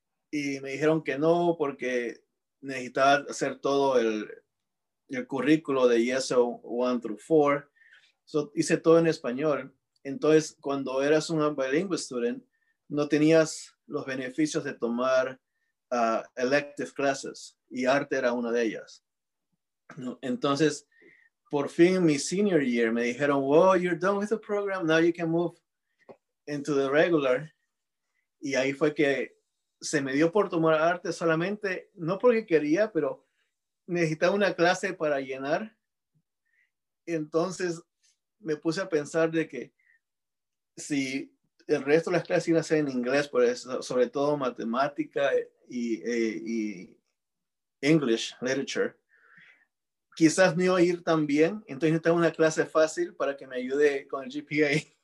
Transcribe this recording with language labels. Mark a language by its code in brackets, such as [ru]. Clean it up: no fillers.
[es] Y me dijeron que no porque necesitaba hacer todo el currículo de ESL [en] 1 through 4. [es] So, hice todo en español. Entonces, cuando eras un [en] bilingual student, [es] no tenías los beneficios de tomar [en] elective classes, [es] y arte era una de ellas. Entonces, por fin mi [en] senior year [es] me dijeron, [en] well, you're done with the program, now you can move into the regular. [es] Y ahí fue que se me dio por tomar arte solamente, no porque quería, pero necesitaba una clase para llenar. Entonces me puse a pensar de que si el resto de las clases iban a ser en inglés, por eso, sobre todo matemática y English, literature, quizás no iba a ir tan bien, entonces necesitaba una clase fácil para que me ayude con el GPA.